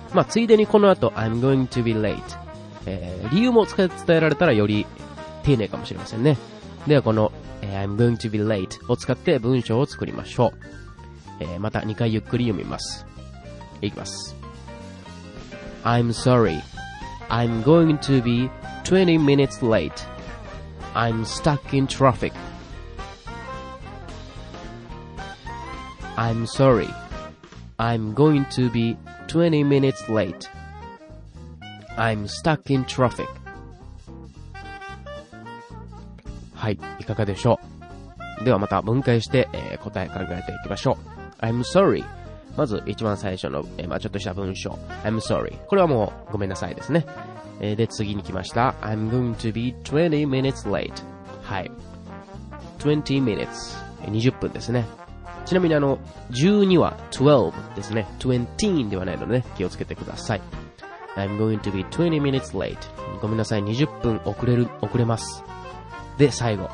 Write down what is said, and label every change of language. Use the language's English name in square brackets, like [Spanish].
[Japanese] まあついでにこの後 [English] I'm going to be late、 [Japanese] 理由も伝えられたらより丁寧かもしれませんね。ではこの、 [English] I'm going to be late [Japanese] を使って文章を作りましょう。また2回ゆっくり読みます。 [English] いきます。I'm sorry. I'm going to be 20 minutes late. I'm stuck in traffic. I'm sorry. I'm going to be 20 minutes late. I'm stuck in traffic. [Japanese] はい、いかがでしょう。ではまた分解して、答え考えていきましょう。 [English] I'm sorry. [Japanese] まず一番最初の、まあ、ちょっとした文章、 [English] I'm sorry、 [Japanese] これはもうごめんなさいですね。 [English] で次に来ました、 I'm going to be 20 minutes late。 [Japanese] はい、 20 minutes、 20分ですね。ちなみにあの12は12ですね。20ではないので、ね、気をつけてください。 [English] I'm going to be 20 minutes late、 [Japanese] ごめんなさい、20分遅れる、遅れます。で、最後。